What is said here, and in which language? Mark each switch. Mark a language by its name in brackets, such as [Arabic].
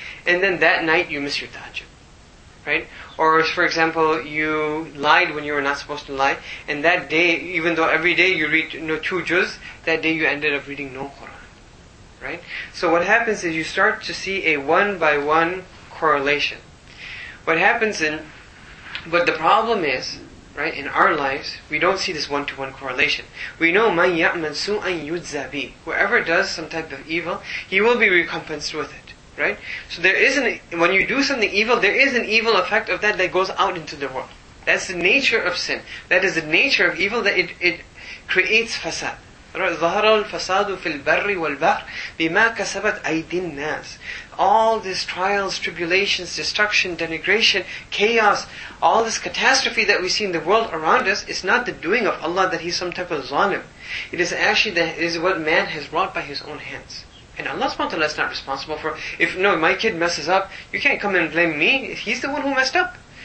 [English] And then that night you miss your tahajjud, right? Or if, for example, you lied when you were not supposed to lie, and that day, even though every day you read no two juz, that day you ended up reading no Quran. Right? So what happens is you start to see a one-by-one correlation. What happens in... But the problem is, right, in our lives, we don't see this one-to-one correlation. We know, [Arabic] مَنْ يَعْمَنْ سُوءًا يُجْزَى بِهِ. [English] Whoever does some type of evil, he will be recompensed with it. Right? So there is an... When you do something evil, there is an evil effect of that that goes out into the world. That's the nature of sin. That is the nature of evil, that it creates fasad. [Arabic] ظهر الفساد في البر والبحر بما كسبت أيدي الناس. [English] All these trials, tribulations, destruction, denigration, chaos, all this catastrophe that we see in the world around us, it's not the doing of Allah that He's some type of zalim. It is actually that is what man has wrought by his own hands. And Allah subhanahu wa ta'ala is not responsible for. If no, my kid messes up, you can't come and blame me. He's the one who messed up.